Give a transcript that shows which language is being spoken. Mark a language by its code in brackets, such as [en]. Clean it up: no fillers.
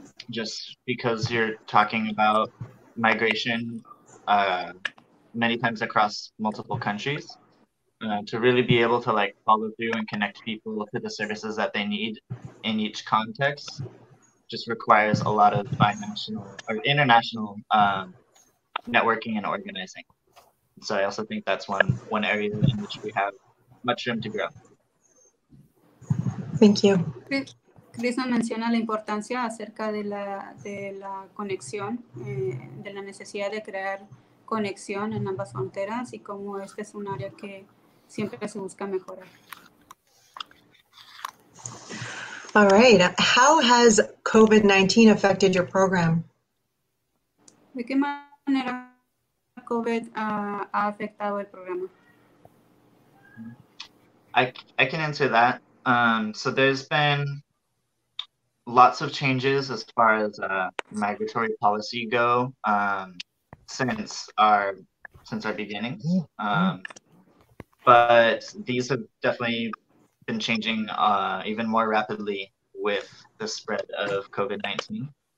[en] Just because you're talking about migration many times across multiple countries, to really be able to like follow through and connect people to the services that they need in each context just requires a lot of bi-national or international networking and organizing. So I also think that's one area in which we have much room to grow. Thank you. [es] Crisma menciona la importancia acerca de la conexión, de la necesidad de crear conexión en ambas fronteras y cómo este es un área que siempre se busca mejorar. [en] All right. How has COVID-19 affected your program? [es] ¿De qué manera COVID ha afectado el programa? [en] I can answer that. So there's been lots of changes as far as migratory policy go since our beginnings. But these have definitely been changing even more rapidly with the spread of COVID-19.